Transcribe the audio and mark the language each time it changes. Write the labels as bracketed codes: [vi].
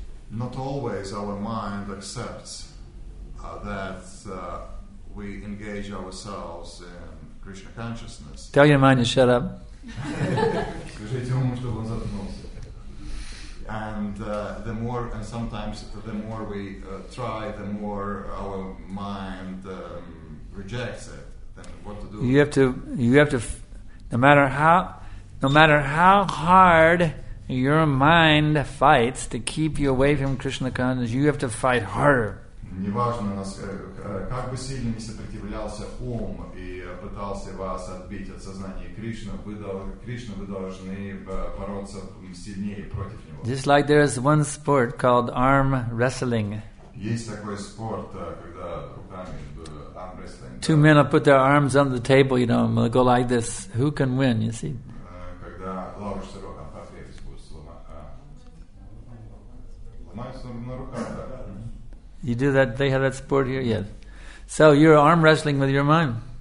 [en] Not always our mind accepts that we engage ourselves in Krishna consciousness. Tell your mind to shut up. [ru] Скажите ему, чтобы он заткнулся. [en] And the more, and sometimes the more we try, the more our mind rejects it. Then what to do? No matter how hard your mind fights to keep you away from Krishna consciousness, you have to fight harder. [ru] Неважно, как бы сильно не сопротивлялся ум и пытался вас отбить от сознания Кришны, вы должны бороться сильнее против него. [en] Just like there is one sport called arm wrestling. [ru] Есть такой спорт, когда руками [en] arm wrestling. Two men will put their arms on the table, you know, and they'll go like this. Who can win, you see? [ru] Когда ложишься руками, как я сказал, ломаешься на руках, да. [en] You do that, they have that sport here, yes. So you're arm wrestling with your mind.